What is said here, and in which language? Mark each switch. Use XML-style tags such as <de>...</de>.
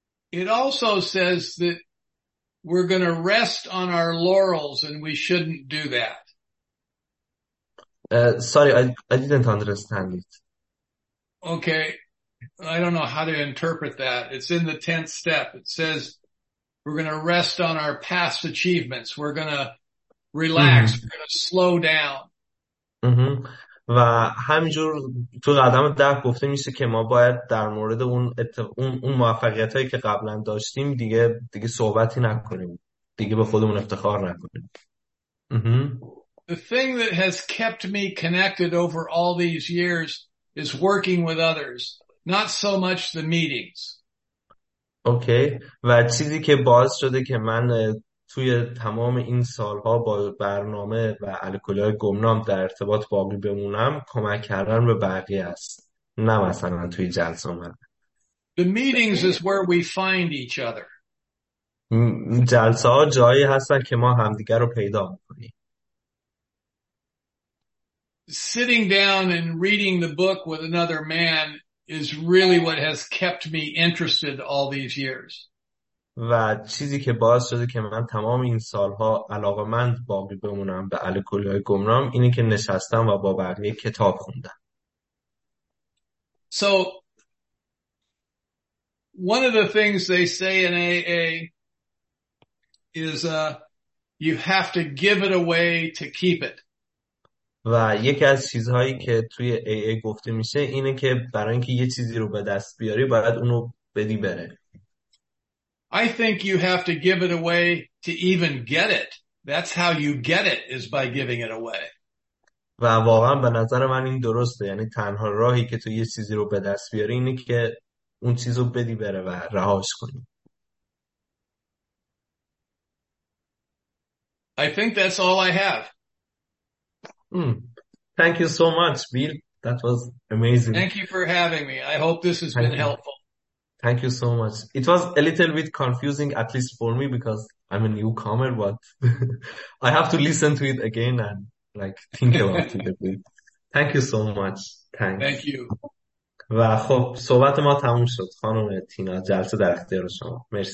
<en>It also says that we're going to rest on our laurels and we shouldn't do that. Sorry, I didn't understand it. Okay. I don't know how to interpret that. It's in the 10th step. It says we're going to rest on our past achievements. We're going to relax. Mm-hmm. We're going to slow down.</en> <fa>و همینجور تو قدم ده گفته میشه که ما باید در مورد اون موفقیت هایی که قبلا داشتیم دیگه صحبتی نکنیم، دیگه به خودمون افتخار نکنیم.</fa> <en>The thing that has kept me connected over all these years is working with others, not so much the meetings.</en> <fa>اوکی. و چیزی که باعث شده که من توی تمام این سالها با برنامه و الکلی‌های گمنام در ارتباط باقی بمونم کمک کردن به بقیه است، نه مثلا توی جلسه من.</fa> <en>The meetings is where we find each other.</en> <fa>جلسه ها جایی هستن که ما همدیگر رو پیدا میکنیم.</fa> <en>Sitting down and reading the book with another man is really what has kept me interested all these years.</en> <fa>و چیزی که باعث شده که من تمام این سالها علاقه‌مند باقی بمونم به الکلی‌های گمنام اینه که نشستم و با بقیه کتاب خوندم.</fa> <en>So one of the things they say in AA is you have to give it away to keep it.</en> <fa>و یکی از چیزهایی که توی AA گفته میشه اینه که برای اینکه یه چیزی رو به دست بیاری باید اونو بدی بره.</fa> <en>I think you have to give it away to even get it. That's how you get it, is by giving it away.</en> <fa>و واقعا به نظر من این درسته، یعنی تنها راهی که تو یه چیزی رو به دست بیاری اینه که اون چیز رو بدی بره و رهاش کنی.</fa> <en>I think that's all I have. Thank you so much, Bill. That was amazing. Thank you for having me. I hope this has been helpful. Thank you so much. It was a little bit confusing, at least for me, because I'm a newcomer, but I have to listen to it again and like think about it a bit. Thank you so much. Thanks. Thank you.</en> <fa>و خب صحبت ما تموم شد خانم تینا، جلسه در اختیار شما. مرسی.</fa>